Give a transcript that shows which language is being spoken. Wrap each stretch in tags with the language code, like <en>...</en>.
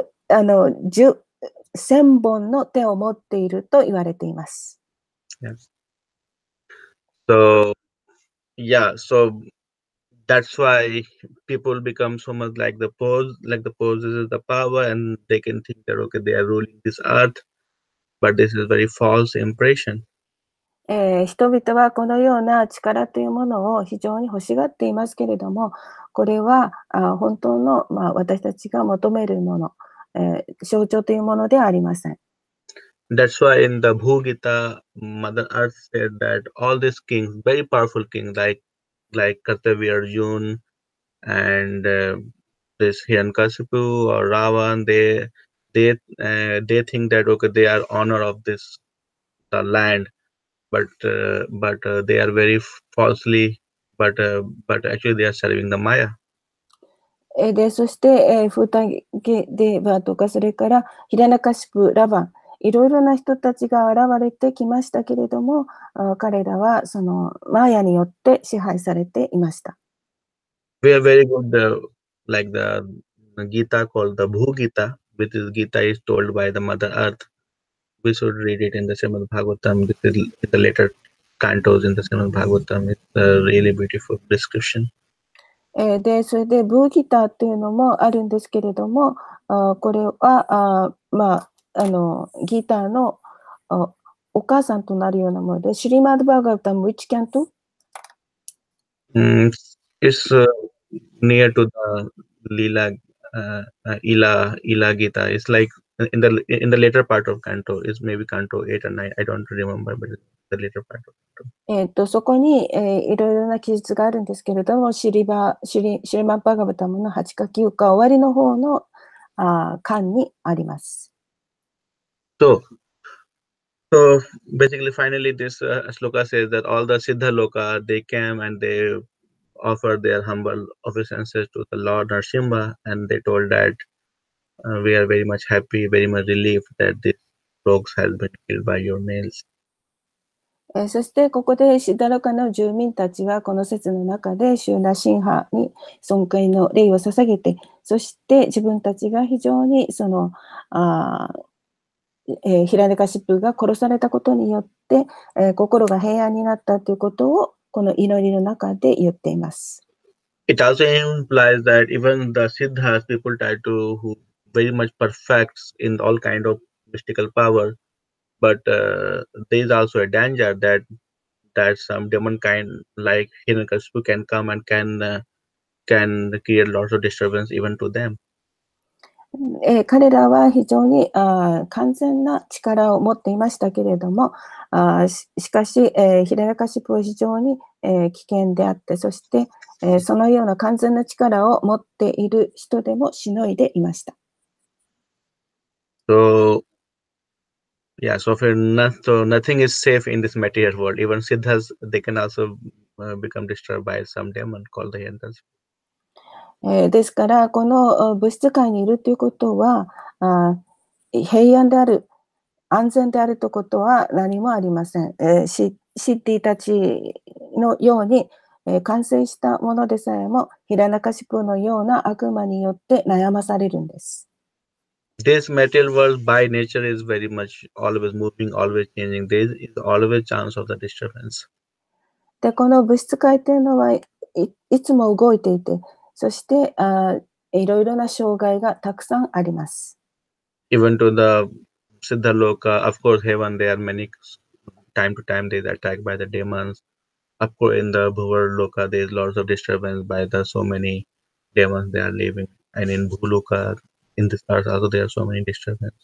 <ja>1,000 本の手を持っていると言われています。</ja> <en>Yes. So, yeah, so that's why people become so much like the pose is the power and they can think that, okay, they are ruling this earth. But this is a very false impression.</en> <ja>人々はこのような力というものを非常に欲しがっていますけれども、これは本当の、まあ、私たちが求めるもの、象徴というものではありません。</ja> <en>That's why in the Bhūgita, Mother Earth said that all these kings, very powerful kings like Kartavir Arjuna and this Hiranyakashipu or Ravan, they think that okay they are owner of this the land but they are very falsely but actually they are serving the Maya.</en> <ja>でそしてフータゲデーバーとかそれからヒラナカシプラバンいろいろな人たちが現れてきましたけれども彼らはそのマヤによって支配されていました。</ja> <en>We are very good like the Gita called the Bhūgita. With this Gita is told by the Mother Earth. We should read it in the Srimad Bhagavatam. This is the later cantos in the Srimad Bhagavatam. It's a really beautiful description.</en> <ja>で、それで、ブーギターっていうのもあるんですけれども、これは、まあ、ギターの、お母さんとなるようなもので、シュリーマッド・バーガヴァタム、</ja> <en>which can to? It's near to the Lila, Ila Gita. It's like in the later part of Canto. It's maybe Canto 8 or 9. I don't remember, but it's the later part of Canto.</en> <ja>そこに、いろいろな記述があるんですけれども、シュリーマッド・バーガヴァタムの8か9か終わりの方の巻にあります。</ja> <en>So basically, finally, this sloka says that all the Siddha Loka, they came and they offered their humble obeisances to the Lord Narasimha, and they told that we are very much happy, very much relieved that this rogues has been killed by your nails.</en> <ja>そしてここでシッダロカの住民たちはこの説の中でシューナシンハに尊敬の礼を捧げて、そして自分たちが非常にそのヒラネカシップが殺されたことによって、心が平安になったということをこの祈りの中で言っています。</ja> <en>It also implies that even the Siddhas, people try to who very much perfect in all kind of mystical power, but there is also a danger that some demon kind like Hiranyakashipu can come and can create lots of disturbance even to them.</en> <ja>彼らは非常に完全な力を持っていましたけれども、しかし、ヒラヤカシプは非常に、危険であって、そして、そのような完全な力を持っている人でもしのいでいました。</ja> <en>So, yeah, so for nothing is safe in this material world. Even Siddhas, they can also become disturbed by some demon called the Hiranyakashipu.</en> <ja>ですからこの物質界にいるということは平安である安全であるということは何もありません。シッティたちのように完成したものでさえもヒラナカシプのような悪魔によって悩まされるんです。</ja> <en>This material world by nature is very much always moving, always changing. There is always chance of the disturbance.</en> <ja>でこの物質界というのは いつも動いていて。そしていろいろな障害がたくさんあります。</ja> <en>Even to the Siddha Loka, of course, heaven, there are many time to time they are attacked by the demons. Of course, in the Bhuvar Loka, there is lots of disturbance by the so many demons they are living. And in Bhuvar Loka, in this earth also, there are so many disturbance.</en>